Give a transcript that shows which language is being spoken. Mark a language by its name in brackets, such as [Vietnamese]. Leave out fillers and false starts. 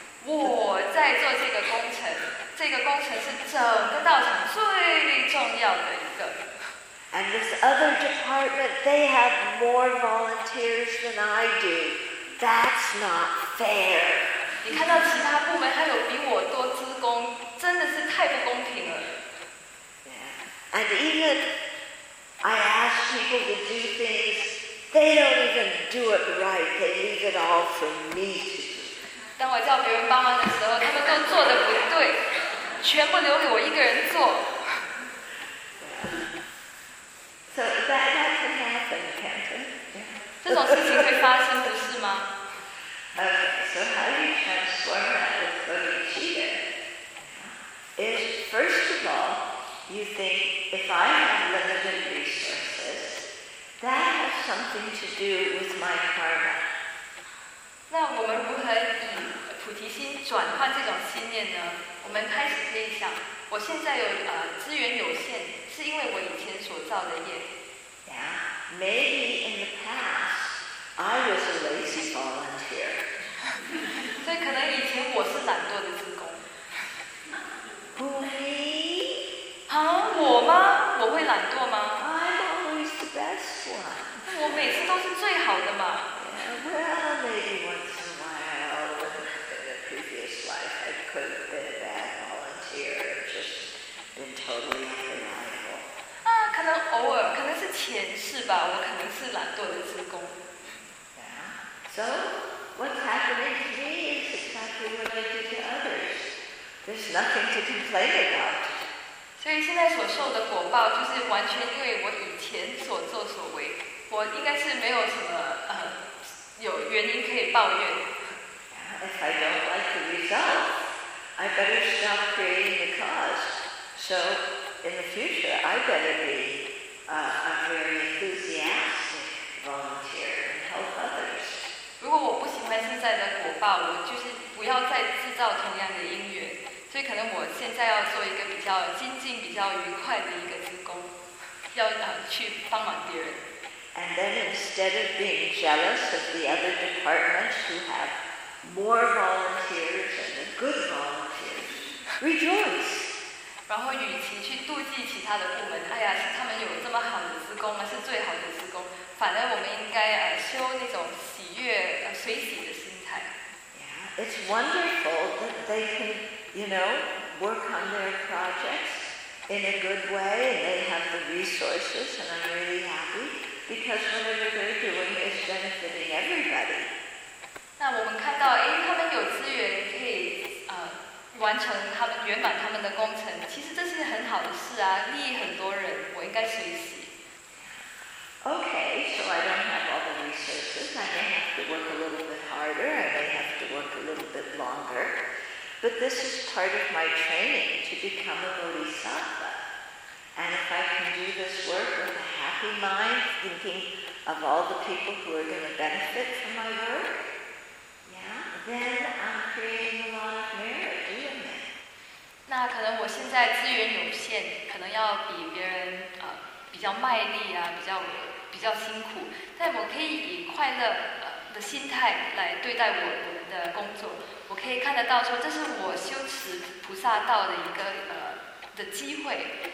[Chinese] 我在做这个工程，这个工程是整个道场最重要的一个。 [English] And this other department, they have more volunteers than I do. That's not fair. [Chinese] 你看到其他部门还有比我多资工，真的是太不公平了。 [English] And even I ask people to do things, they don't even do it right. They leave it all for me to do. [Chinese] 当我叫别人帮忙的时候，他们都做得不对，全部留给我一个人做。 [English] So that can happen, can't it? [Chinese] 这种事情会发生，不是吗？ [English] So how do you transform that with bodhicitta? Is first of all, you think if I have limited resources, that has something to do with my karma. [Chinese] 那我们如何以菩提心转换这种信念呢？我们开始可以想，我现在有资源有限，是因为我以前所造的业。 [English] Yeah, maybe in the past I was a lazy volunteer. [Chinese] 所以可能以前我是懒惰的职工。 [English] Who me? [Chinese] 啊，我吗？我会懒惰吗 [English] ？I'm always the best one. [Chinese] 我每次都是最好的嘛。 [English] Well, maybe once in a while, in a previous life, I could have been a bad volunteer, just been totally unreliable. [Chinese] 啊，可能偶尔，可能是前世吧，我可能是懒惰的职工。 [English] So. What's happening to me is exactly what I do to others. There's nothing to complain about. [Chinese] 所以现在所受的果报就是完全因为我以前所作所为，我应该是没有什么有原因可以抱怨。 [English] If I don't like the result, I better stop creating the cause. So in the future, I better be a very enthusiastic volunteer and help others. [Chinese] 如果我不喜欢现在的果报，我就是不要再制造同样的因缘。所以可能我现在要做一个比较精进、比较愉快的一个职工，要去帮忙别人。 [English] And then instead of being jealous of the other departments who have more volunteers and the good volunteers, rejoice. [Chinese] 然后与其去妒忌其他的部门，哎呀，是他们有这么好的职工吗？是最好的职工。反而我们应该修那种喜悦随喜的心态。 [English] Yeah, it's wonderful that they can, you know, work on their projects in a good way, and they have the resources, and I'm really happy because whatever they're doing is benefiting everybody. [Chinese] 那我们看到，哎，他们有资源可以完成他们圆满他们的工程，其实这是很好的事啊，利益很多人，我应该随喜。 [English] Okay, so I don't have all the resources. I may have to work a little bit harder. I may have to work a little bit longer. But this is part of my training to become a bodhisattva. And if I can do this work with a happy mind, thinking of all the people who are going to benefit from my work, yeah, then I'm creating a lot of merit, doing it. [Chinese] 那可能我现在资源有限，可能要比别人比较卖力啊，比较辛苦，但我可以以快乐的心态来对待我的工作。我可以看得到说，这是我修持菩萨道的一个的机会。